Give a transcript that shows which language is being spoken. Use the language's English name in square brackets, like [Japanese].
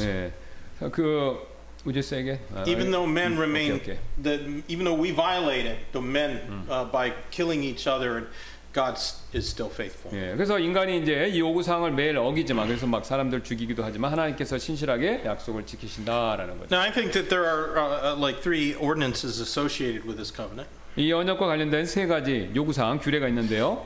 [English] 네. 그 Would you say again? Even though men remain, even though we violate it, the men by killing each other, God is still faithful. [Korean] 예, 그래서 인간이 이제 이 요구사항을 매일 어기지만, 그래서 막 사람들 죽이기도 하지만 하나님께서 신실하게 약속을 지키신다라는 거죠. [English] Now I think that there are like three ordinances associated with this covenant. [Korean] 이 언약과 관련된 세 가지 요구사항 규례가 있는데요.